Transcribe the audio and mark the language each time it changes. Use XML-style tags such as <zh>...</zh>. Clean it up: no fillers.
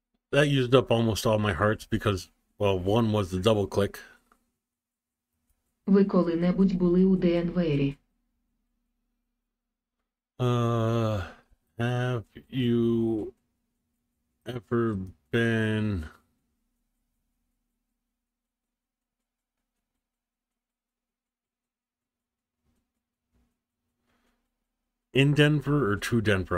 <en>That used up almost all my hearts because, well, one was the double click.</en> <uk>Ви коли-небудь були у Денвері?</uk> <en>Have you ever been in Denver or to Denver?</en>